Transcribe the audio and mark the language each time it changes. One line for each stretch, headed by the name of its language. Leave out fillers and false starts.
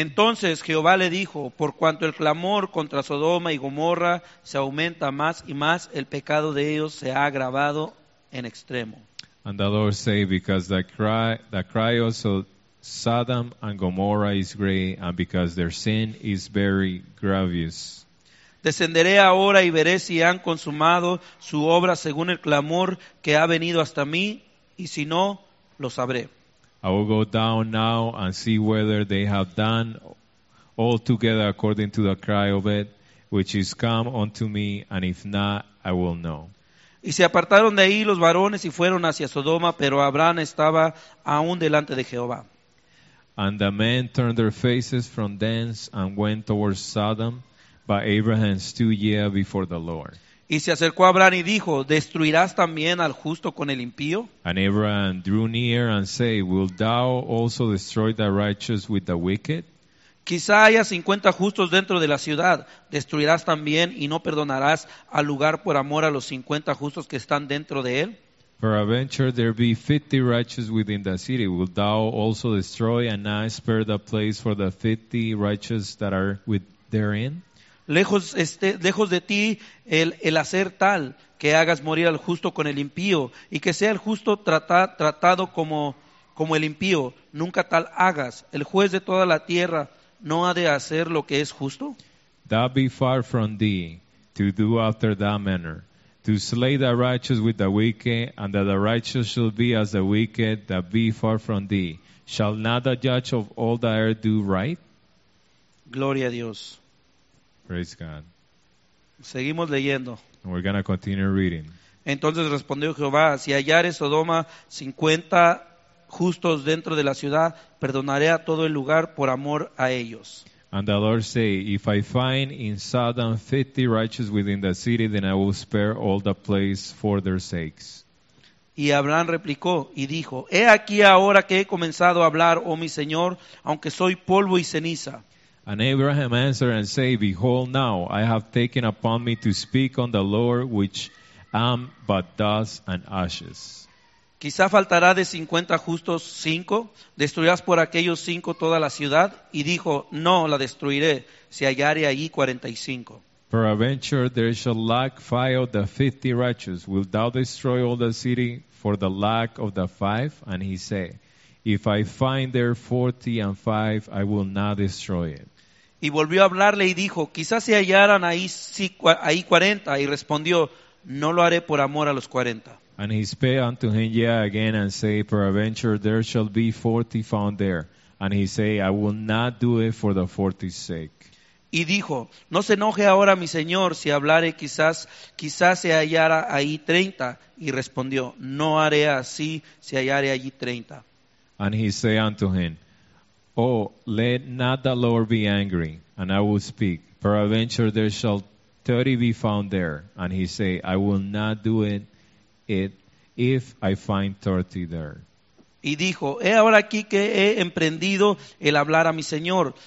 Spanish: Entonces Jehová le dijo, por cuanto el clamor contra Sodoma y Gomorra se aumenta más y más, el pecado de ellos se ha agravado en extremo.
English: And the Lord say, because the cry also Sodom and Gomorrah is great, and because their sin is very grievous.
Spanish: Descenderé ahora y veré si han consumado su obra según el clamor que ha venido hasta mí, y si no, lo sabré.
English: I will go down now and see whether they have done all together according to the cry of it, which is come unto me, and if not, I will know.
Spanish: Y se apartaron de ahí los varones y fueron hacia Sodoma, pero Abraham estaba aún delante de Jehová.
English: And the men turned their faces from thence and went towards Sodom, but Abraham stood yet before the Lord.
Spanish: Y se acercó a Abraham y dijo, ¿destruirás también al justo con el impío?
English: And Abraham drew near and said, Will thou also destroy the righteous with the wicked?
Spanish: Quizá haya 50 justos dentro de la ciudad. ¿Destruirás también y no perdonarás al lugar por amor a los 50 justos que están dentro de él?
English: Peradventure there be 50 righteous within the city. Will thou also destroy and not spare the place for the 50 righteous that are therein?
Spanish: Lejos de ti el hacer tal que hagas morir al justo con el impío y que sea el justo tratado como el impío. Nunca tal hagas. El juez de toda la tierra no ha de hacer lo que es justo.
English: That be far from thee to do after that manner. To slay the righteous with the wicked, and that the righteous shall be as the wicked, that be far from thee. Shall not the judge of all the earth do right?
Spanish: Gloria a Dios.
English: Praise God.
Spanish: Seguimos leyendo.
English: And we're going to continue reading.
Spanish: Entonces respondió Jehová, si hallare Sodoma 50 justos dentro de la ciudad, perdonaré a todo el lugar por amor a ellos.
English: And the Lord say, If I find in Sodom 50 righteous within the city, then I will spare all the place for their sakes.
Spanish: Y Abraham replicó y dijo, He aquí ahora que he comenzado a hablar, oh mi Señor, aunque soy polvo y ceniza.
English: And Abraham answered and say, Behold now, I have taken upon me to speak on the Lord, which am but dust and ashes.
Spanish: Quizá faltará de 50 justos 5, destruirás por aquellos 5 toda la ciudad, y dijo, no, la destruiré, si hallare allí 45.
English: Peradventure there shall lack 5 of the 50 righteous, wilt thou destroy all the city for the lack of the 5? And he said, if I find there 40 and 5, I will not destroy it.
Spanish: Y volvió a hablarle y dijo, quizás se hallaran ahí 40. Y respondió, no lo haré por amor a los 40.
English: And he spake unto him yet again and said, peradventure there shall be 40 found there. And he said, I will not do it for the 40's sake.
Spanish: Y dijo, no se enoje ahora mi señor si hablare quizás se hallara ahí 30. Y respondió, no haré así si hallare allí 30.
English: And he said unto him, oh, let not the Lord be angry, and I will speak. Peradventure there shall 30 be found there. And he said, I will not do it if I find 30 there.
Spanish: Y dijo, he ahora aquí que he emprendido el hablar a mi señor.